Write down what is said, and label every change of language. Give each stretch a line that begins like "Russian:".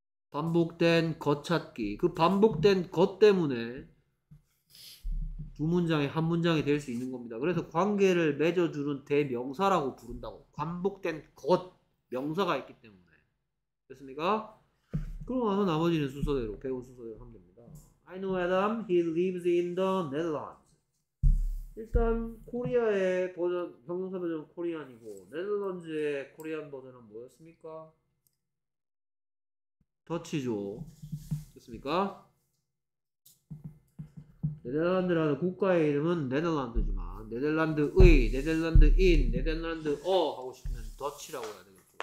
Korean: 반복된 것 찾기. 그 반복된 것 때문에 두 문장이 한 문장이 될수 있는 겁니다. 그래서 관계를 맺어주는 대명사라고 부른다고. 반복된 것, 명사가 있기 때문에. 됐습니까? 그러고 나서 나머지는 순서대로, 배운 순서대로 하면 됩니다.
English: I know Adam, he lives in the Netherlands.
Korean: 일단, 코리아의 버전, 형용사 버전은 코리안이고, 네덜란드의 코리안 버전은 뭐였습니까? 터치죠. 됐습니까? 네덜란드라는 국가의 이름은 네덜란드지만, 네덜란드의, 네덜란드인, 네덜란드어 하고 싶으면 터치라고 해야 되겠죠.